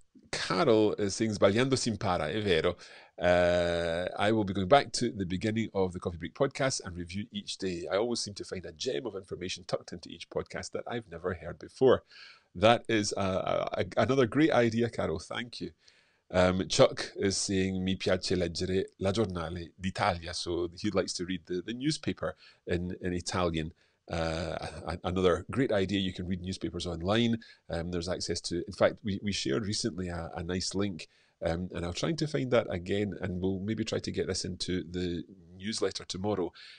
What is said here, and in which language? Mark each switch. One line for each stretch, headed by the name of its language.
English: Carol is saying,
Italian: sbagliando si impara, è vero.
English: I will be going back to the beginning of the Coffee Break podcast and review each day. I always seem to find a gem of information tucked into each podcast that I've never heard before. That is another great idea, Carol. Thank you. Chuck is saying,
Italian: mi piace leggere la giornale d'Italia.
English: So he likes to read the newspaper in Italian. Another great idea, you can read newspapers online. There's access to, in fact, we shared recently a nice link, and I'm trying to find that again, and we'll maybe try to get this into the newsletter tomorrow.